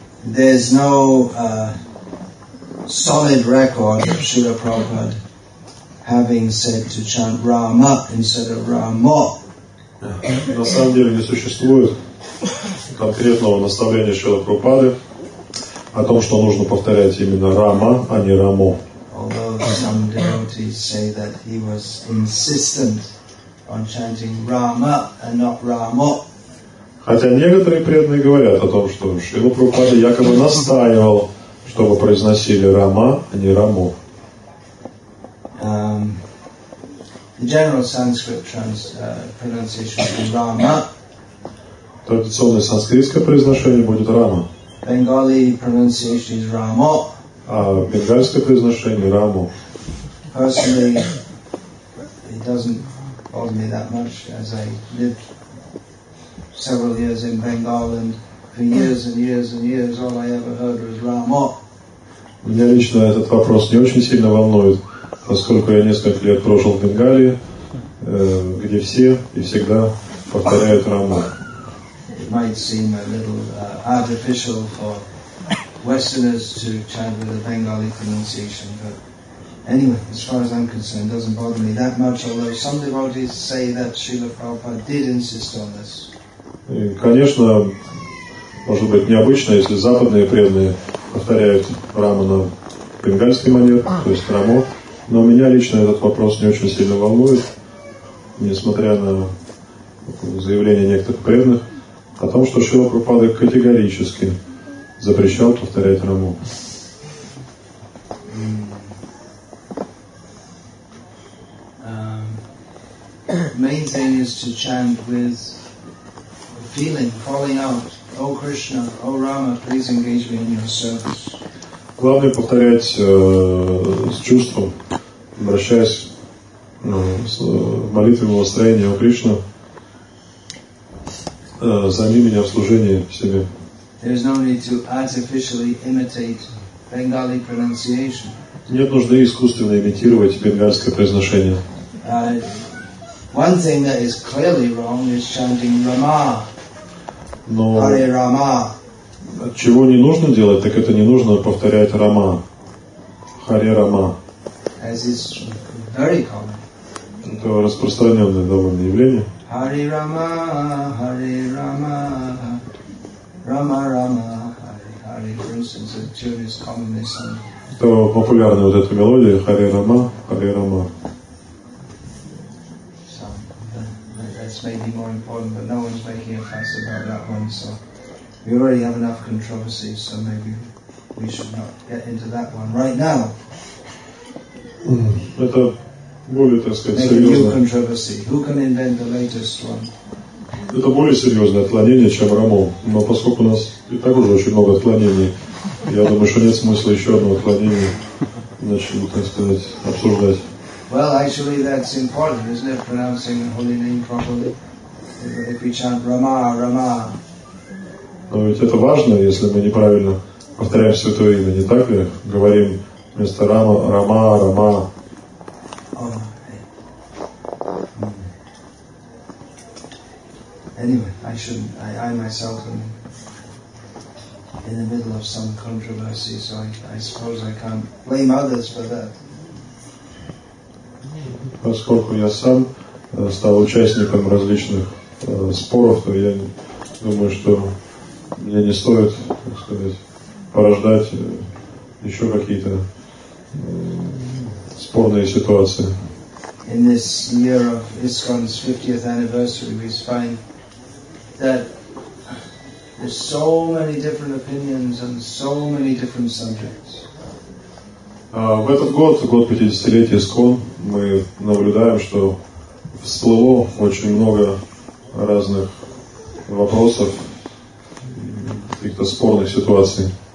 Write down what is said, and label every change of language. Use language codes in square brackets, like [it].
[en] There's no solid record of Srila Prabhupada having said to chant Rama instead of Ramo. [ru] На самом деле не существует конкретного наставления Шрила Прабхупады о том, что нужно повторять именно Рама, а не Рамо. [en] Although some devotees say that he was insistent on chanting Rama and not Ramo. [ru] Хотя некоторые преданные говорят о том, что Шрила Прабхупада якобы настаивал, чтобы произносили Рама, а не Рамо. [en] The general Sanskrit pronunciation is Rama. [ru] Традиционное санскритское произношение будет Рама. [en] Bengali pronunciation is Ramo. [ru] А бенгальское произношение Рамо. [en] Personally, it doesn't bother me that much, as I lived several years in Bengal, and for years and years and years, all I ever heard was Ramo. [ru] Меня лично этот вопрос не очень сильно волнует, поскольку я несколько лет прожил в Бенгалии, где все и всегда повторяют Рамо. [en] It might seem a little artificial for Westerners to chant with a Bengali pronunciation, but anyway, as far as I'm concerned, it doesn't bother me that much, although some devotees say that Srila Prabhupada did insist on this. [ru] Конечно, может быть необычно, если западные преданные повторяют Рама на бенгальский манер, то есть Рамо, но меня лично этот вопрос не очень сильно волнует, несмотря на заявление некоторых преданных о том, что Шрила Прабхупада категорически запрещал повторять Раму. [en] Main thing is to chant with feeling, calling out, O Krishna, O Rama, please engage me in your service. [ru] Главное повторять с чувством, обращаясь с молитвенным настроением, О Кришна, займи меня в служении себе. [en] There is no need to artificially imitate Bengali pronunciation. [ru] Нет нужды искусственно имитировать бенгальское произношение. [en] One thing that is clearly wrong is chanting Rama. [ru] Но Hare Rama. Чего не нужно делать, так это не нужно повторять Рама. [sa] Hare Rama. [en] As is very common. [ru] Это распространенное довольно явление. [sa] Hare Rama, Hare Rama. [en] Rama Rama Hare Hare, for instance, a tourist commonly sung. [ru] Это популярная вот эта мелодия Hare Rama, Hare Rama. [en] So that's maybe more important, but no one's making a fuss about that one, so we already have enough controversy, so maybe we should not get into that one right now. [ru] Это более, так сказать, серьезно. [en] Make a new controversy. Who can invent the latest one? [ru] Это более серьезное отклонение, чем Рамо. Но поскольку у нас и так уже очень много отклонений, я думаю, что нет смысла еще одно отклонение начать, так сказать, обсуждать. [en] Well, actually, that's important, isn't it, pronouncing the holy name properly? If we chant Rama, Rama. [ru] Но ведь это важно, если мы неправильно повторяем святое имя, не так ли? Говорим вместо Рама, Рама, Рама. [en] Anyway, I myself am in the middle of some controversy, so I suppose I can't blame others for that. [ru] Поскольку я сам стал участником различных споров, то я думаю, что мне не стоит, так сказать, порождать еще какие-то спорные ситуации. [en] In this year of ISKCON's 50th anniversary, we find that there's so many different opinions on so many different subjects. [ru] В этот год 50-летия ISKCON, мы наблюдаем, что всплыло очень много разных вопросов, каких-то спорных ситуаций.